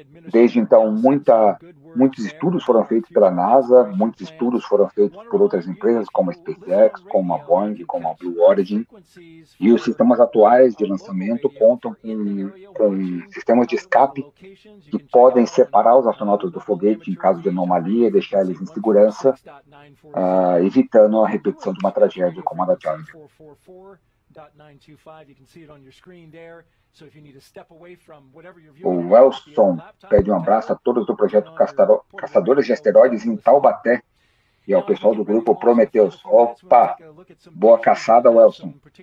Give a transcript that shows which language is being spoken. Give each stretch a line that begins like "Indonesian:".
Portuguese: Desde então, muitos estudos foram feitos pela NASA, muitos estudos foram feitos por outras empresas, como a SpaceX, como a Boeing, como a Blue Origin. E os sistemas atuais de lançamento contam com sistemas de escape que podem separar os astronautas do foguete em caso de anomalia e deixar eles em segurança, evitando a repetição de uma tragédia como a da Challenger.
English: 1.925, you can see it on your screen there. So if you need to step away from whatever you're viewing.
Portuguese: O Wilson pede um abraço a todos do projeto Caçadores de Asteroides em Taubaté e ao pessoal do grupo Prometheus. Opa! Boa caçada, Wilson.